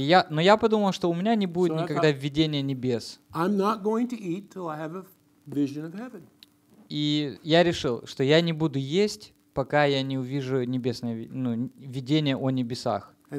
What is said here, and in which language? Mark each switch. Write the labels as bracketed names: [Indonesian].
[Russian] Но я подумал, что у меня не будет никогда видения небес. [English] I'm not going to eat till I have a vision of heaven. [Russian] И я решил, что я не буду есть, пока я не увижу небесное, ну, видение о небесах.